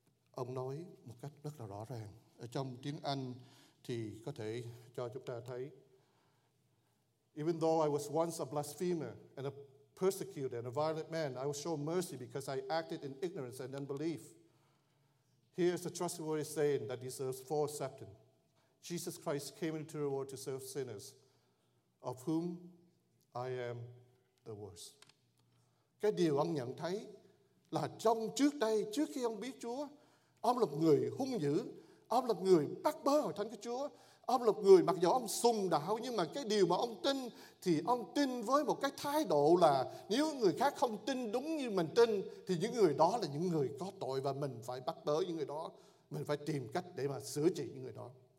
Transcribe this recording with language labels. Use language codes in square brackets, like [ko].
[vi] Ông nói một cách rất là rõ ràng. Ở trong tiếng Anh thì có thể cho chúng ta thấy: [en] even though I was once a blasphemer and a persecuted and a violent man, I was shown mercy because I acted in ignorance and unbelief. Here's a trustworthy saying that deserves full acceptance. Jesus Christ came into the world to serve sinners, of whom I am the worst. [vi] Cái điều ông nhận thấy là trong trước đây, trước khi ông biết Chúa, ông là một người hung dữ, ông là một người bắt bớ hội thánh của Chúa, Ông là người mặc dù ông sùng đạo, nhưng mà cái điều mà ông tin thì ông tin với một cái thái độ là nếu người khác không tin đúng như mình tin thì những người đó là những người có tội và mình phải bắt bớ những người đó, mình phải tìm cách để mà sửa trị những người đó.